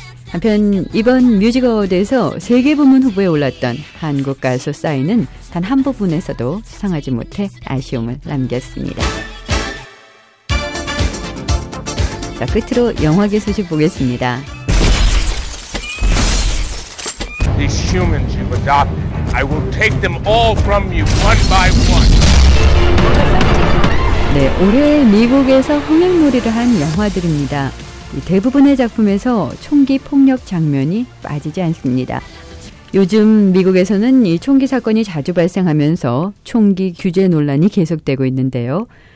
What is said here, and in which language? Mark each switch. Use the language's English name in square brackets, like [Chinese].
[Korean] 한편 이번 뮤직 어워드에서 3개 부문 후보에 올랐던 한국 가수 싸이는 단 한 부분에서도 수상하지 못해 아쉬움을 남겼습니다. 자, 끝으로 영화계 소식 보겠습니다. [English] These humans you've adopted, I will take them all from you one by one. [Korean] 네, 올해 미국에서 흥행놀이를 한 영화들입니다. 대부분의 작품에서 총기 폭력 장면이 빠지지 않습니다. 요즘 미국에서는 이 총기 사건이 자주 발생하면서 총기 규제 논란이 계속되고 있는데요.